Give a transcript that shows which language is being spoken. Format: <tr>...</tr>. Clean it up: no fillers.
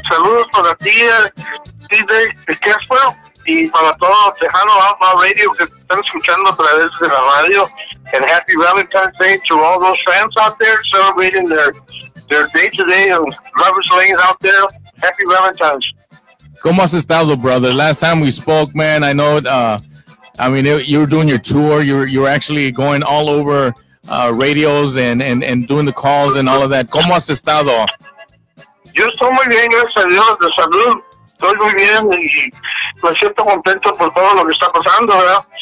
<es>Saludos para ti, DJ Casper, y para todo Tejano Outlaw Radio que están escuchando a través de la radio.</es> <en>And happy Valentine's Day to all those fans out there celebrating their day-to-day and lovers lanes out there. Happy Valentine's.</en> <es>¿Cómo has estado, brother?</es> <en>Last time we spoke, man, I know, you were doing your tour. You were actually going all over radios and doing the calls and all of that.</en> <es>¿Cómo has estado? Yo estoy muy bien, gracias a Dios, de salud. Estoy muy bien y me siento contento por todo lo que está pasando, ¿verdad?</es>